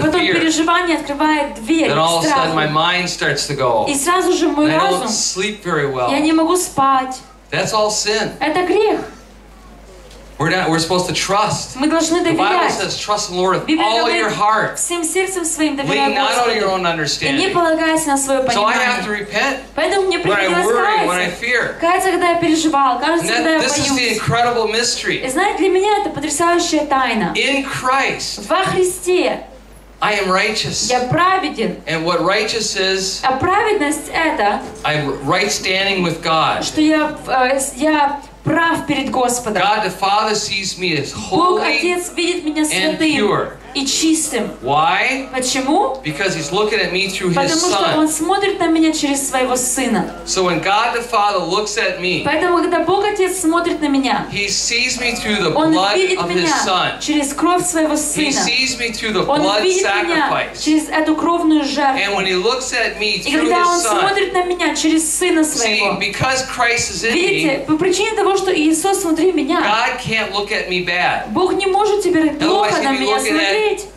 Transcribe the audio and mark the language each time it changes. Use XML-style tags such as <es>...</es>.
<ru>И потом переживание открывает дверь страху.</ru> <en>Then all of a sudden my mind starts to go.</en> <ru>И сразу же мой разум.</ru> <en>I don't sleep very well.</en> <ru>Я не могу спать.</ru> <en>That's all sin.</en> <ru>Это грех.</ru> <en>We're supposed to trust.</en> <ru>Мы должны доверять.</ru> <en>The Bible says, trust the Lord with all your heart.</en> <ru>Всем сердцем своим доверяй Господу.</ru> <en>Lean not on your own understanding.</en> <ru>И не полагайся на свое понимание.</ru> <en>So I have to repent.</en> <ru>Поэтому мне приходилось каяться.</ru> <en>When I fear.</en> <ru>Каяться, когда я переживал. Каяться, когда я боюсь.</ru> <en>This is the incredible mystery.</en> <ru>И знаете, для меня это потрясающая тайна.</ru> <en>In Christ.</en> <ru>Во Христе.</ru> <en>I am righteous.</en> <ru>Я праведен.</ru> <en>And what righteous is?</en> <ru>А праведность это?</ru> <en>I'm right standing with God.</en> <ru>Что я прав перед Господом.</ru> <en>God the Father sees me as holy.</en> <ru>Бог Отец видит меня святым.</ru> <en>And pure.</en> <ru>И чистым.</ru> <en>Why?</en> <ru>Почему?</ru> <en>Because he's looking at me through his</en> <ru>Потому что он смотрит на меня через своего сына.</ru> <en>So when God the Father looks at me.</en> <ru>Поэтому когда Бог Отец смотрит на меня.</ru> <en>He sees me through the blood of his son.</en> <ru>Через кровь своего сына.</ru> <en>He sees me through the blood sacrifice.</en> <ru>Через эту кровную жертву.</ru> <en>And when he looks at me through</en> <ru>И когда он смотрит на меня через сына своего.</ru> <en>See, because Christ is in me.</en> <ru>Видите, по причине того, что Иисус внутри меня.</ru> <en>God can't look at me bad.</en> <ru>Бог не может теперь плохо на меня смотреть.</ru>